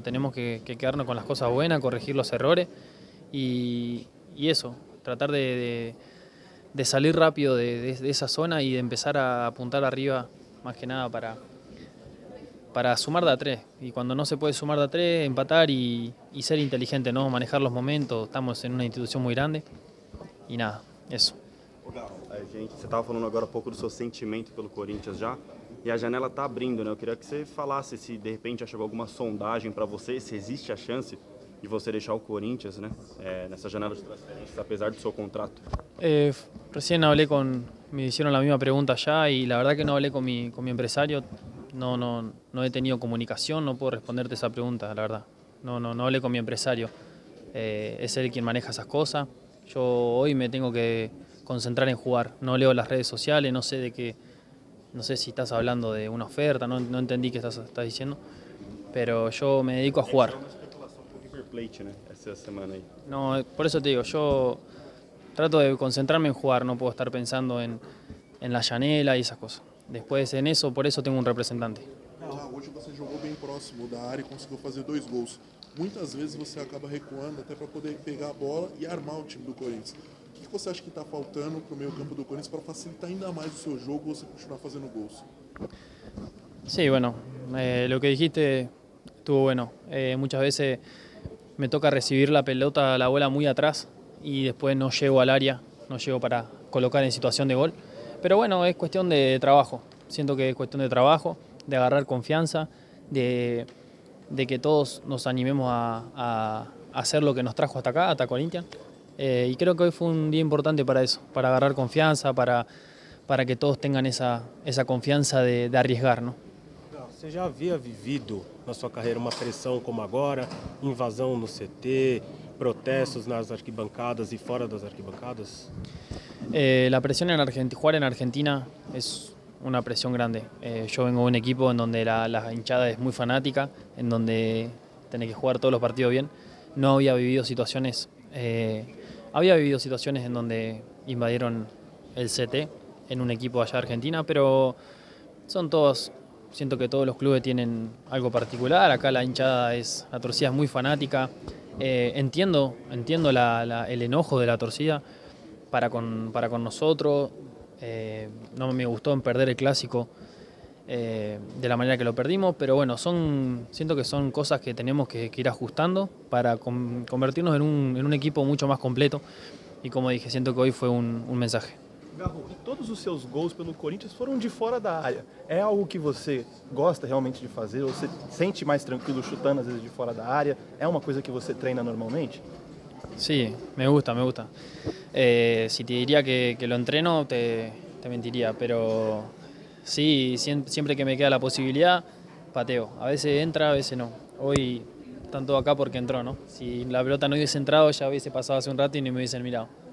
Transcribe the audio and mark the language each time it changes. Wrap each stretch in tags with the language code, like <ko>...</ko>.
<es>Tenemos que quedarnos con las cosas buenas, corregir los errores y eso, tratar de salir rápido de esa zona y de empezar a apuntar arriba, más que nada, para para sumar de a tres. Y cuando no se puede sumar de a tres, empatar y ser inteligente, ¿no? Manejar los momentos. Estamos en una institución muy grande. Y nada, eso.</es> <pt>Você estava falando agora um pouco do seu sentimento pelo Corinthians já, e a janela está abrindo, né? Eu queria que você falasse se de repente já chegou alguma sondagem para você, se existe a chance de você deixar o Corinthians, né? É, nessa janela de transferências, apesar do seu contrato.</pt> <es>Recién hablé con, me hicieron la misma pregunta ya, y la verdad que no hablé con mi empresario, no he tenido comunicación, no puedo responderte esa pregunta, la verdad. No hablé con mi empresario, es él quien maneja esas cosas. Yo hoy me tengo que concentrar en jugar, no leo las redes sociales, no sé de qué, no sé si estás hablando de una oferta, no entendí qué estás diciendo, pero yo me dedico a jugar. No, por eso te digo, yo trato de concentrarme en jugar, no puedo estar pensando en la llanela y esas cosas. Después en eso, por eso tengo un representante.</es> <pt>Hoje você jogou bem próximo da área e conseguiu fazer dois gols. Muitas vezes você acaba recuando até para poder pegar a bola e armar o time do Corinthians. O que você acha que está faltando para o meio campo do Corinthians para facilitar ainda mais o seu jogo e você continuar fazendo gols?</pt> <es>Sim, sí, bueno, lo que dijiste estuvo bueno. Muchas veces me toca recibir la pelota, la bola muy atrás y después no llego al área, no llego para colocar en situación de gol. Pero bueno, es cuestión de trabajo. Siento que es cuestión de trabajo, de agarrar confianza, de que todos nos animemos a hacer lo que nos trajo hasta acá, hasta Corinthians. Y creo que hoy fue un día importante para eso, para agarrar confianza, para que todos tengan esa confianza de arriesgar, ¿no?</es> <pt>Você já havia vivido na sua carreira uma pressão como agora, invasão no CT, protestos nas arquibancadas e fora das arquibancadas?</pt> <es>La presión en Argentina, jugar en Argentina es una presión grande. Yo vengo de un equipo en donde la hinchada es muy fanática, en donde tenés que jugar todos los partidos bien. No había vivido situaciones. Había vivido situaciones en donde invadieron el CT en un equipo allá de Argentina, pero son todos. Siento que todos los clubes tienen algo particular. Acá la hinchada es. La torcida es muy fanática. Entiendo el enojo de la torcida para con nosotros. No me gustó en perder el clásico de la manera que lo perdimos, pero bueno, siento que son cosas que tenemos que ir ajustando para convertirnos en un equipo mucho más completo. Y como dije, siento que hoy fue un mensaje. Garro, todos los</es> <pt>seus gols pelo</pt> <es>Corinthians fueron de fuera de área. ¿Es algo que</es> <pt>você gosta realmente de</pt> <es>hacer? ¿O se siente más tranquilo chutando a veces de fuera de área? ¿Es una cosa que</es> <pt>você treina normalmente?</pt> <es>Sí, me gusta. Si te diría que lo entreno, te mentiría, pero sí, siempre que me queda la posibilidad, pateo. A veces entra, a veces no. Hoy están todos acá porque entró, ¿no? Si la pelota no hubiese entrado, ya hubiese pasado hace un rato y ni me hubiesen mirado.</es>